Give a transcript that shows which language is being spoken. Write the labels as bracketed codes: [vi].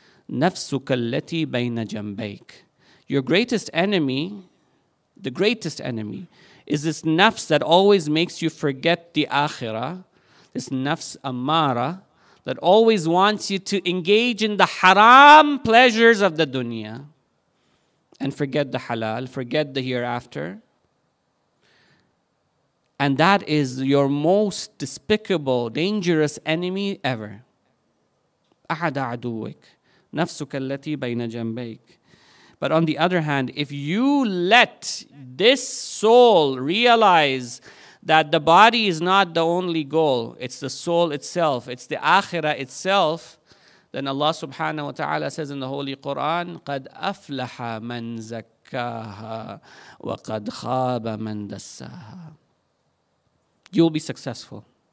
[ar] Nafsuka allati bayna jambayk. [en] Your greatest enemy, the greatest enemy, is this nafs that always makes you forget the akhirah, this nafs amara, that always wants you to engage in the haram pleasures of the dunya and forget the halal, forget the hereafter. And that is your most despicable, dangerous enemy ever. [ar] أحد عدوك نفسك التي بين جنبيك. [en] But on the other hand, if you let this soul realize that the body is not the only goal, it's the soul itself, it's the akhirah itself, then Allah subhanahu wa ta'ala says in the Holy Quran, [ar] قَدْ أَفْلَحَ مَنْ زَكَّاهَا وَقَدْ خَابَ مَنْ دَسَّاهَا. [en] You'll be successful.